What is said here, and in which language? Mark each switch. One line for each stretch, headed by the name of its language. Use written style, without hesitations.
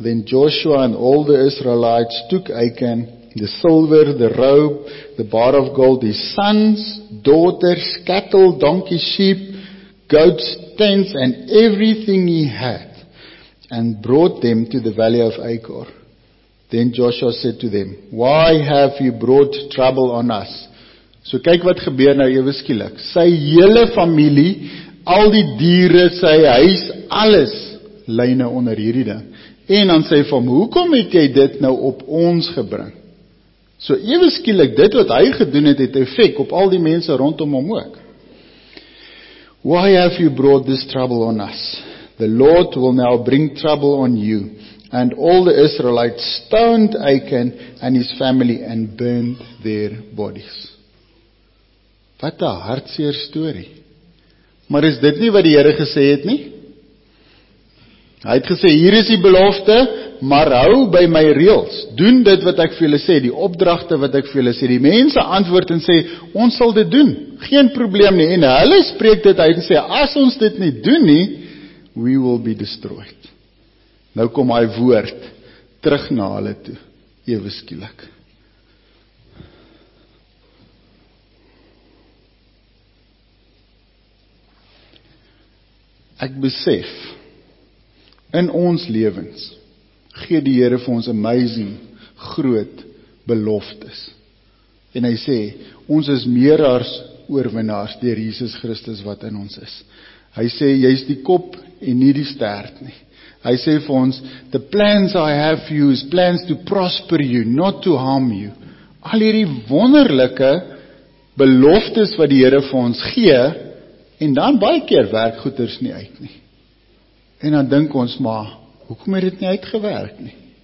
English: Then Joshua and all the Israelites took Achan, the silver, the robe, the bar of gold, his sons, daughters, cattle, donkeys, sheep, goats, tents, and everything he had, and brought them to the valley of Achor. Then Joshua said to them, why have you brought trouble on us?
Afrikaans: So kyk wat gebeur nou ewe skielik. Sy hele familie, al die diere, sy huis, alles, lyne onder hierdie ding. En dan sê van, hoekom het jy dit nou op ons gebring? So ewe skielik, dit wat hy gedoen het, het effek op al die mense rondom hom ook.
English: Why have you brought this trouble on us? The Lord will now bring trouble on you. And all the Israelites stoned Achan and his family and burned their bodies.
Afrikaans: Wat 'n hartseer story. Maar is dit nie wat die Here gesê het nie? Hy het gesê, hier is die belofte, maar hou by my reels. Doen dit wat ek vir julle sê, die opdragte wat ek vir julle sê. Die mense antwoord en sê, ons sal dit doen. Geen probleem nie. En hulle spreek dit uit en sê, as ons dit nie doen nie,
English: we will be destroyed.
Afrikaans: Nou kom hy woord terug na hulle toe, ewe skielik. Ek besef, in ons lewens, gee die Here vir ons amazing groot beloftes. En hy sê, ons is meer as oorwinnaars deur Jesus Christus wat in ons is. Hy sê, jy is die kop en nie die stert nie. Hy sê vir ons,
English: the plans I have for you is plans to prosper you, not to harm you.
Afrikaans: Al hierdie wonderlike beloftes wat die Here vir ons gee, en dan baie keer werk goeders nie uit nie. En dan dink ons maar, hoekom het dit nie uitgewerk nie?